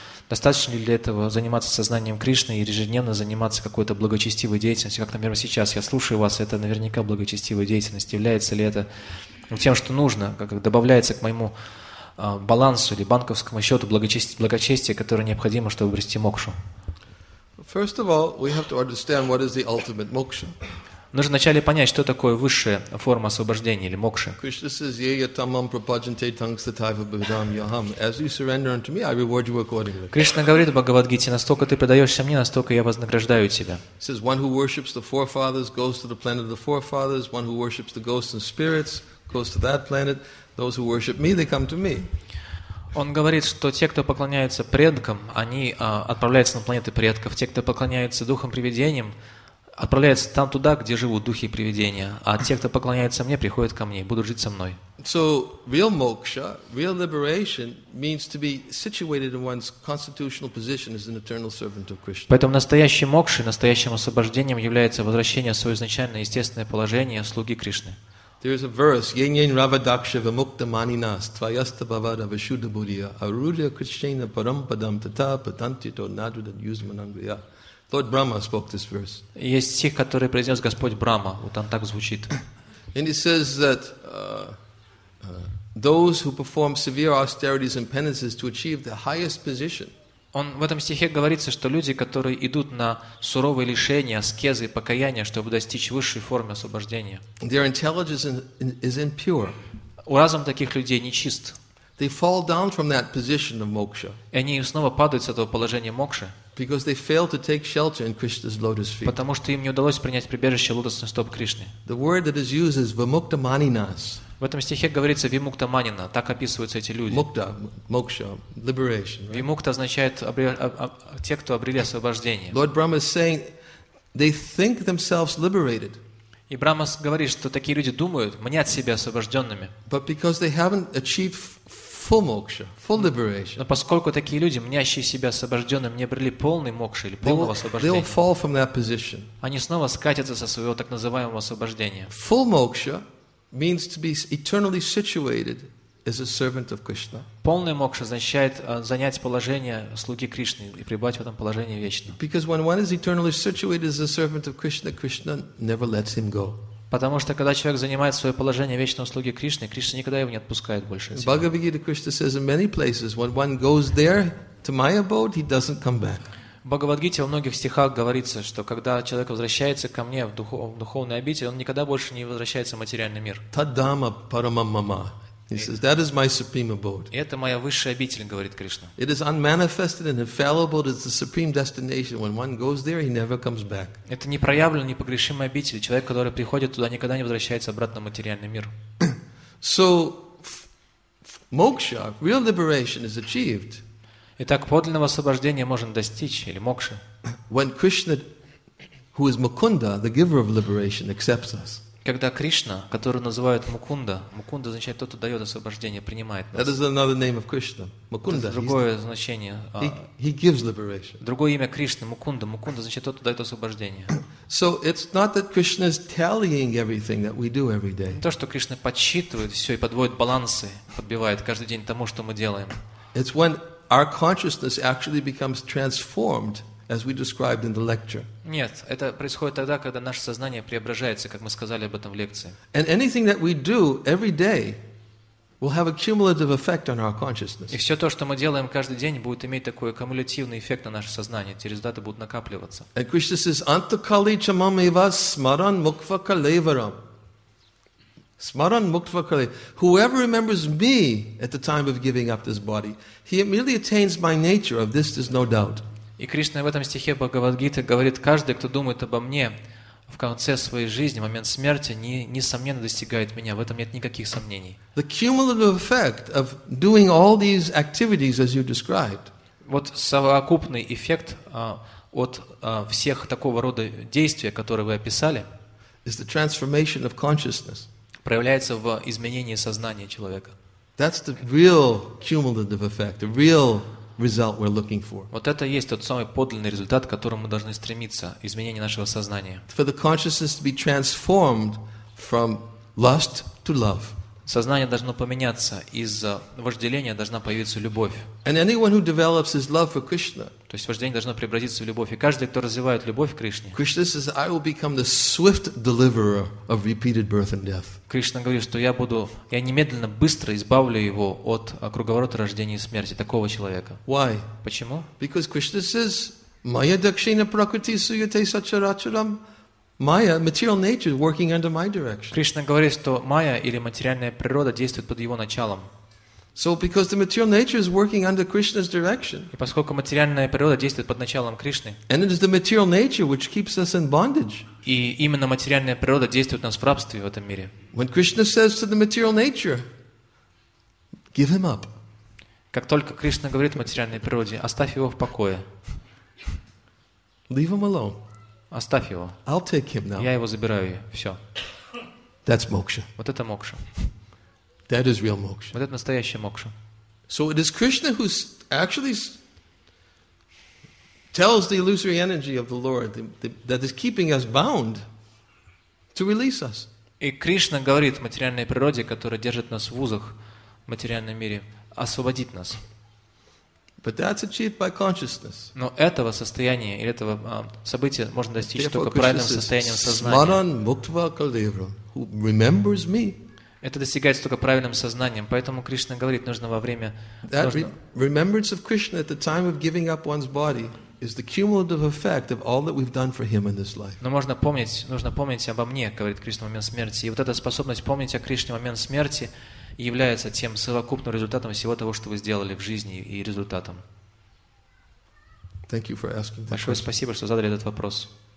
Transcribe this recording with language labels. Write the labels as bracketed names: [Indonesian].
[Russian] достаточно ли для этого заниматься сознанием Кришны и ежедневно заниматься какой-то благочестивой деятельностью, как, например, сейчас я слушаю вас, это наверняка благочестивая деятельность, является ли это тем, что нужно, как добавляется к моему балансу или банковскому счету благочестие, которое необходимо, чтобы обрести мокшу. [English] First of all, we have to understand what is the ultimate moksha. [Russian] Нужно вначале понять, что такое высшая форма освобождения или мокши. [English] Krishna says, "Yeya tamam prapajante tangstataiva bhidam yaham." As you surrender unto me, I reward you accordingly. [Russian] Кришна говорит в Бхагавадгите, настолько ты предаешься мне, настолько я вознаграждаю тебя. [English] Says, "One who worships the forefathers goes to the planet of the forefathers. One who worships the ghosts and spirits goes to that planet. Those who worship me, they come to me." [Russian] Он говорит, что те, кто поклоняются предкам, они отправляются на планеты предков. Те, кто поклоняются духам привидениям, отправляются там туда, где живут духи и привидения. А те, кто поклоняется мне, приходят ко мне и будут жить со мной. [English] So, real moksha, real liberation, means to be situated in one's constitutional position as an eternal servant of Krishna. [Russian] Поэтому настоящий мокша, настоящим освобождением является возвращение в свое изначальное естественное положение слуги Кришны. [English] There is a verse, Yenyen Ravadaksha Vimukta Maninas, Tvayasta Bhavada Vishuddha Buddhya, Arudya Krishna Parampadam Tata Patantito Nadudad Yuzmanangriya. Lord Brahma spoke this verse. [Russian] Есть стих, который произнес Господь Брахма. Вот он так звучит. [English] And he says that those who perform severe austerities and penances to achieve the highest position. [Russian] Он в этом стихе говорится, что люди, которые идут на суровые лишения, аскезы, покаяния, чтобы достичь высшей формы освобождения. [English] Their intelligence is impure. [Russian] У разум таких людей нечист. [English] They fall down from that position of moksha. [Russian] И они снова падают с этого положения мокши. [English] Because they fail to take shelter in Krishna's lotus feet. [Russian] Потому что им не удалось принять прибежище лотосных стоп Кришны. [English] The word that is used is vimukta maninas. [Russian] В этом стихе говорится «вимукта манина». Так описываются эти люди. Мукта, мокша, [English] liberation. Right? [Russian] Вимукта означает «те, кто обрели освобождение». [English] Lord Brahma is saying, they think themselves liberated. [Russian] И Брахма говорит, что такие люди думают, мнят себя освобожденными. [English] But because they haven't achieved full moksha, full liberation. [Russian] Но поскольку такие люди, мнящие себя освобожденными, не обрели полный мокши или полного освобождения, [English] they will fall from that position. [Russian] Они снова скатятся со своего так называемого освобождения. [English] Full moksha means to be eternally situated as a servant of Krishna. [Russian] Полный мокша означает занять положение слуги Кришны и пребывать в этом положении вечно. [English] Because when one is eternally situated as a servant of Krishna, Krishna never lets him go. [Russian] Потому что когда человек занимает свое положение вечного слуги Кришны, Кришна никогда его не отпускает больше. [English] Bhagavad Gita Krishna says in many places, when one goes there to my abode, he doesn't come back. [Russian] В Бхагавадгите во многих стихах говорится, что когда человек возвращается ко мне в духовный обитель, он никогда больше не возвращается в материальный мир. [English] Тадама парамамама. He says, that is my supreme abode. [Russian] Это моя высшая обитель, говорит Кришна. [English] It is unmanifested and infallible, it is the supreme destination. When one goes there, he never comes back. [Russian] Это непроявленная, непогрешимая обитель. Человек, который приходит туда, никогда не возвращается обратно в материальный мир. [English] So, moksha, real liberation is achieved. [Russian] Итак, подлинного освобождения можно достичь, или мокши. [English] When Krishna, who is Mukunda, the giver of liberation, accepts us. [Russian] Когда Кришна, которую называют Мукунда, Мукунда означает тот, кто дает освобождение, принимает нас. [English] That is another name of Krishna. Mukunda. [Russian] Это другое значение. [English] He gives liberation. [Russian] Другое имя Кришны, Мукунда. Мукунда означает тот, кто дает освобождение. [English] So it's not that Krishna is tallying everything that we do every day. [Russian] То, что Кришна подсчитывает все и подводит балансы, подбивает каждый день тому, что мы делаем. [English] It's when our consciousness actually becomes transformed, as we described in the lecture. [Russian] Нет, это происходит тогда, когда наше сознание преображается, как мы сказали об этом в лекции. [English] And anything that we do every day will have a cumulative effect on our consciousness. [Russian] И все то, что мы делаем каждый день, будет иметь такой кумулятивный эффект на наше сознание. Эти результаты будут накапливаться. [English] And Krishna says, "Antakali chamameva smaran mukva kalevaram." Smaran mukva kalevaram. Whoever remembers me at the time of giving up this body, he immediately attains my nature. Of this, there's no doubt. [Russian] И Кришна в этом стихе Бхагавадгиты говорит, каждый, кто думает обо мне в конце своей жизни, в момент смерти, несомненно достигает меня. В этом нет никаких сомнений. [English] The cumulative effect of doing all these activities, as you described. [Russian] Вот совокупный эффект от всех такого рода действий, которые вы описали, [English] is the transformation of consciousness. [Russian] Проявляется в изменении сознания человека. [English] That's the real cumulative effect, the real result we're looking for. [Russian] Вот это есть тот самый подлинный результат, к которому мы должны стремиться, изменение нашего сознания. [English] For the consciousness to be transformed from lust to love. [Russian] Сознание должно поменяться, из вожделения должна появиться любовь. [English] And anyone who develops his love for Krishna. [Russian] То есть вожделение должно преобразиться в любовь, и каждый, кто развивает любовь к Кришне. [English] Krishna says, I will become the swift deliverer of repeated birth and death. [Russian] Кришна говорит, что я немедленно, быстро избавлю его от круговорота рождения и смерти, такого человека. [English] Why? [Russian] Почему? [English] Because Krishna says, Maya Dakshina Prakriti Suyate Sacharacharam. Maya, material nature, working under my direction. [Russian] Кришна говорит, что майя или материальная природа действует под его началом. [English] So, because the material nature is working under Krishna's direction. [Russian] И поскольку материальная природа действует под началом Кришны. [English] And it is the material nature which keeps us in bondage. [Russian] И именно материальная природа действует нас в рабстве в этом мире. [English] When Krishna says to the material nature, give him up. [Russian] Как только Кришна говорит материальной природе, оставь его в покое. [English] Leave him alone. [Russian] Оставь его. [English] I'll take him now. [Russian] Я его забираю. Все. [English] That's moksha. [Russian] Вот это мокша. [English] That is real moksha. [Russian] Вот это настоящая мокша. [English] So it is Krishna who actually tells the illusory energy of the Lord that is keeping us bound to release us. [Russian] И Кришна говорит материальной природе, которая держит нас в узах в материальном мире, освободить нас. [English] But that's achieved by consciousness. [Russian] Но этого состояния или этого события можно достичь только правильным состоянием сознания. [English] Smaran Muktva Kalevaram, who remembers me. [Russian] Это достигается только правильным сознанием. Поэтому Кришна говорит, нужно во время... [English] That remembrance of Krishna at the time of giving up one's body is the cumulative effect of all that we've done for him in this life. [Russian] Но можно помнить, нужно помнить обо мне, говорит Кришна в момент смерти. И вот эта способность помнить о Кришне в момент смерти является тем совокупным результатом всего того, что вы сделали в жизни и результатом. [English] Thank you for asking that. [Russian] Большое спасибо, что задали этот вопрос.